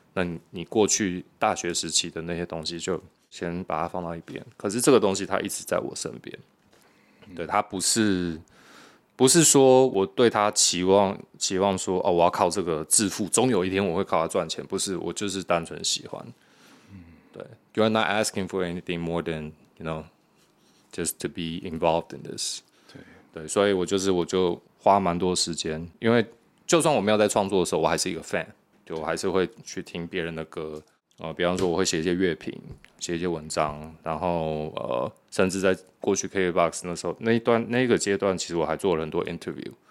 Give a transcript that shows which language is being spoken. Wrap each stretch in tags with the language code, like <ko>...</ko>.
<zh>那你过去大学时期的那些东西，就先把它放到一边。可是这个东西它一直在我身边，对，它不是说我对它期望说哦，我要靠这个致富，总有一天我会靠它赚钱。不是，我就是单纯喜欢。</zh> <en>You are not asking for anything more than, you know, just to be involved in this.</en> <zh>对，所以我就花蛮多时间，因为就算我没有在创作的时候，我还是一个 fan， 就我还是会去听别人的歌，比方说我会写一些乐评，写一些文章，然后甚至在过去 KBox 那时候那个阶段，其实我还做了很多 interview。</zh>